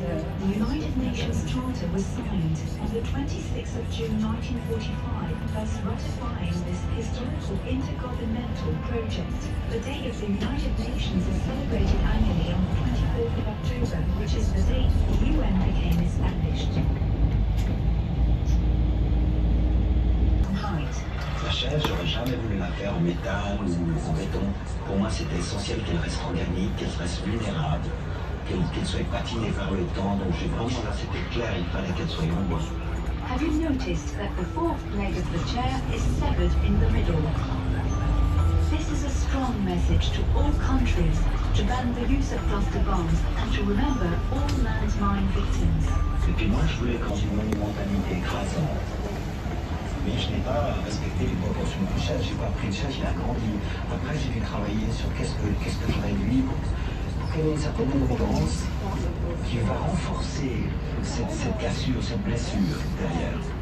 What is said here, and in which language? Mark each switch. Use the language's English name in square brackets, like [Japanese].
[English] The United Nations Charter was signed on the 26th of June 1945, thus ratifying this historical intergovernmental project. The Day of the United Nations is celebrated annually on the 24th of October, which is the date the UN became established. [French] La chaise, j'aurais jamais voulu la faire en métal ou en béton. Pour moi, c'était essentiel qu'elle reste organique, qu'elle reste vulnérable, qu'elle soit patinée par le temps. Donc j'ai vraiment, là, c'était clair, il fallait qu'elle soit en bois. [English] Have you noticed that the fourth leg of the chair is severed in the middle? This is a strong message to all countries to ban the use of cluster bombs and to remember all landmine victims. [French] Et puis moi, je voulais quand une monumentalité écrasante. Mais je n'ai pas respecté les proportions du chat, j'ai pas pris le chat, il a grandi. Après, j'ai dû travailler sur qu'est-ce que je réduis pour qu'il y ait une certaine endurance qui va renforcer cette cassure, cette blessure derrière.